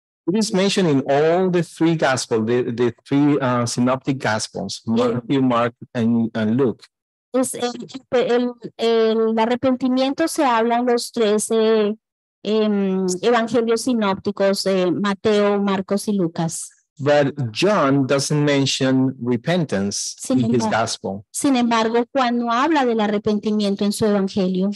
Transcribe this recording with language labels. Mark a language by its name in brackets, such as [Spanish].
[English] It is mentioned in all the three gospels, the three synoptic gospels, Matthew, Mark, and Luke. [Spanish] Es el arrepentimiento se habla en los tres evangelios sinópticos, Mateo, Marcos, y Lucas. [English] But John doesn't mention repentance in his gospel. [Spanish] Sin embargo, Juan no habla del arrepentimiento en su evangelio.